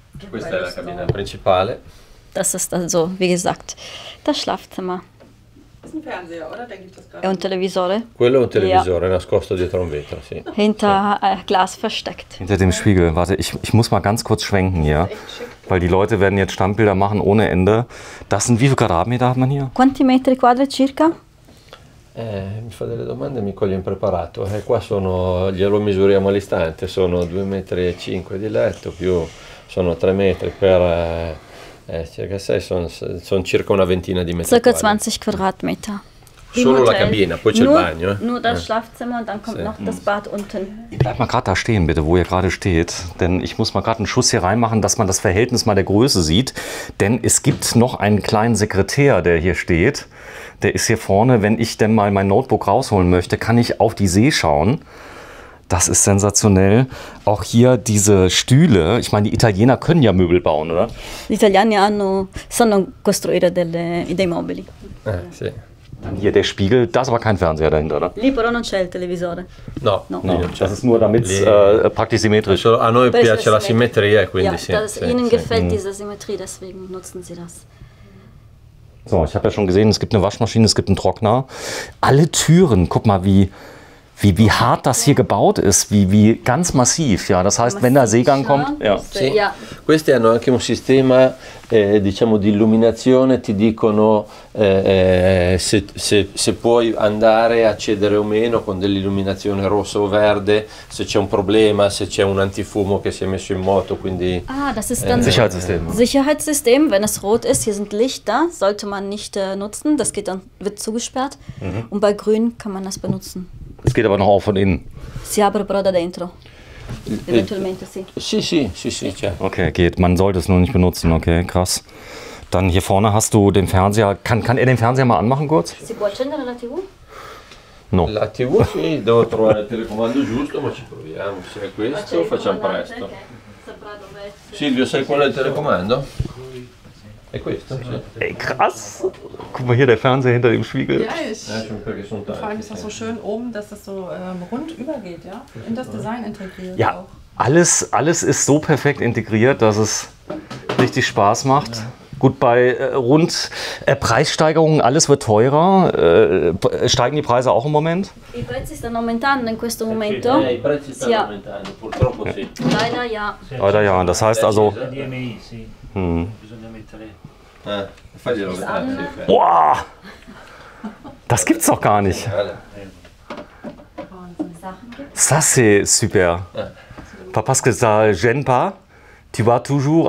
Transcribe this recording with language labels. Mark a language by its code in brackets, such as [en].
[it] Questa è la cabina principale. [de] Das ist also, wie gesagt, das Schlafzimmer. Das ist ein Fernseher, oder? Denke ich das gerade. [it] È un televisore? Quello è un televisore, nascosto dietro un vetro, sì. [de] Hinter Glas versteckt. Hinter dem Spiegel. Warte, ich muss mal ganz kurz schwenken hier. Weil die Leute werden jetzt Standbilder machen ohne Ende. Das sind wie viele Quadratmeter hat man hier? [it] Quanti metri quadri circa? Mi fa delle domande, mi coglie impreparato. Qua sono, glielo misuriamo all'istante, sono 2,5 m di letto, più sono 3 metri per... circa 6 sono circa una ventina di metri. [de] Circa 20 Quadratmeter. [it] Solo la cabina, poi c'è il bagno. [de] Nur das Schlafzimmer und dann kommt noch das Bad unten. Bleibt mal gerade da stehen, bitte, wo ihr gerade steht. Denn ich muss mal gerade einen Schuss hier reinmachen, dass man das Verhältnis mal der Größe sieht. Denn es gibt noch einen kleinen Sekretär, der hier steht. Der ist hier vorne. Wenn ich denn mal mein Notebook rausholen möchte, kann ich auf die See schauen. Das ist sensationell. Auch hier diese Stühle. Ich meine, die Italiener können ja Möbel bauen, oder? [it] Gli italiani hanno sanno costruire delle dei mobili. Sì. [de] Dann hier der Spiegel. Da ist aber kein Fernseher dahinter, oder? [it] Lì però non c'è il televisore. No, no. [de] Das ist nur damit praktisch symmetrisch. [it] A noi piace la simmetria, quindi sì. [de] Ihnen gefällt diese Symmetrie, deswegen nutzen sie das. So, ich habe ja schon gesehen, es gibt eine Waschmaschine, es gibt einen Trockner. Alle Türen, guck mal, wie hart das hier gebaut ist, wie ganz massiv, ja, das heißt, wenn da Seegang kommt, ja. [it] Sì. Questi hanno anche un sistema diciamo di illuminazione, ti dicono se puoi andare a cedere o meno con dell'illuminazione rossa o verde, se c'è un problema, se c'è un antifumo che si è messo in moto, quindi [de] Das ist dann Sicherheitssystem, wenn es rot ist, hier sind Lichter, sollte man nicht nutzen, das geht dann wird zugesperrt. Und bei grün kann man das benutzen. Es geht aber noch auch von innen. [it] Si apre però da dentro. Eventualmente sì. Sì, sì, sì, sì. [de] Okay, geht. Man sollte es nur nicht benutzen. Okay, krass. Dann hier vorne hast du den Fernseher. Kann er den Fernseher mal anmachen kurz? [it] Si può accendere la TV? No. La TV sì, devo trovare il telecomando giusto, ma ci proviamo. Se è questo, facciamo presto. Silvio, sai qual è il telecomando? È questo, sì. [de] Ey, krass! Guck mal hier, der Fernseher hinter dem Spiegel. Ja, ich frage mich, ist das so schön oben, dass das so rund übergeht, ja? In das Design integriert. Ja, auch. Alles ist so perfekt integriert, dass es richtig Spaß macht. Ja. Gut, bei rund Preissteigerungen, alles wird teurer. Steigen die Preise auch im Moment? [it] I prezzi stanno aumentando in questo momento. I prezzi stanno aumentando, purtroppo sì. [de] Leider ja. Leider ja, das heißt also... [it] DMI, sì. Bisogna mettere... [de] Boah! Das gibt's doch gar nicht. [fr] Ça c'est super. Parce que ça gêne pas. Tu vas toujours.